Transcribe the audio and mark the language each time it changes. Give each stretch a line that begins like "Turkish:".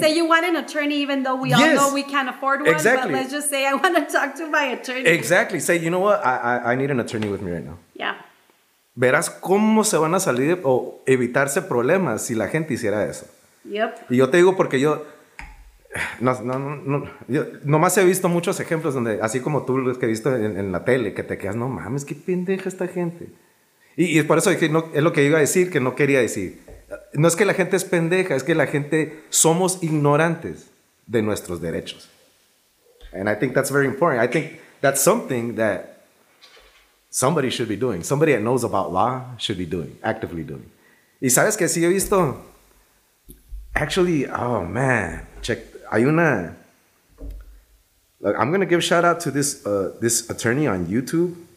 English: Say you want an attorney, even though we all know we can't afford one. Exactly. But let's just say I want to talk to my attorney. Exactly. Say, you know what? I need an attorney with me right now. Yeah.
Spanish: Verás cómo se van a salir o evitarse problemas si la gente hiciera eso. Yep. Y yo te digo porque yo. Yo nomás he visto muchos ejemplos donde, así como tú lo que he visto en la tele, que te quedas, no mames, qué pendeja esta gente. Y por eso dije, no, es lo que iba a decir, que no quería decir. No es que la gente es pendeja, es que la gente somos ignorantes de nuestros derechos.
English: And I think that's very important. I think that's something that somebody should be doing. Somebody that knows about law should be doing, actively doing.
Spanish: Y sabes que sí he visto.
English: Actually, oh man, check. Look, I'm gonna give a shout out to this attorney on YouTube.